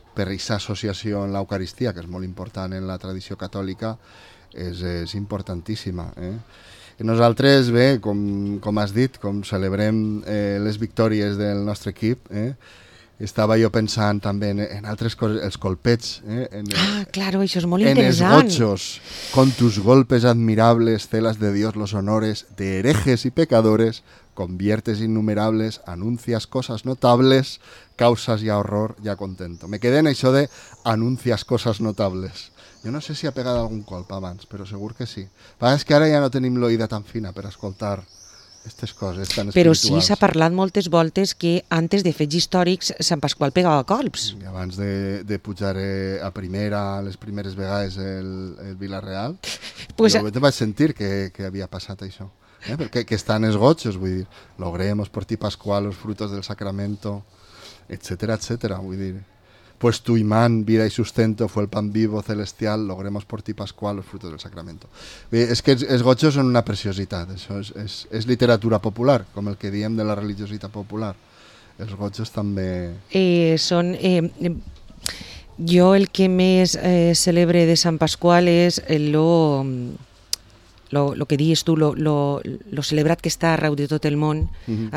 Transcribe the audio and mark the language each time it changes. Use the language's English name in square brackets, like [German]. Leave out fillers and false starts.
[Catalan] Per aquesta associació en l'Eucaristia, que és molt important en la tradició catòlica, és importantíssima. Nosaltres, bé, com has dit, com celebrem les victòries del nostre equip, estava jo pensant també en altres coses, els colpets. Claro, això és molt interessant. En els gotxos, [Spanish] con tus golpes admirables, celas de Dios los honores, de herejes y pecadores, conviertes innumerables, anuncias cosas notables, causas ya horror, ya contento. Me quedé en [Catalan] això [Spanish] de anuncias cosas notables. [Catalan] Jo no sé si ha pegat algun colp abans, però segur que sí. Però és que ara ja no tenim l'oïda tan fina per escoltar aquestes coses tan però espirituals. Sí, s'ha parlat moltes voltes que antes de fets històrics Sant Pasqual pegava colps. I abans de pujar a primera, les primeres vegades el Vila-real, pues jo vaig sentir que havia passat això. Perquè que estan els gotxos, vull dir, [Spanish] logremos por ti Pascual los frutos del sacramento, etcétera, etcétera, [Catalan] vull dir, [Spanish] pues tu imán, vida y sustento, fue el pan vivo celestial, logremos por ti Pascual los frutos del sacramento. [Catalan] Vull dir, és que els gotxos són una preciositat, això és literatura popular, com el que diem de la religiositat popular. Els gotxos també... Són... jo el que més celebre de Sant Pasqual és lo que dius tu, lo celebrat que està arreu de tot el món, uh-huh.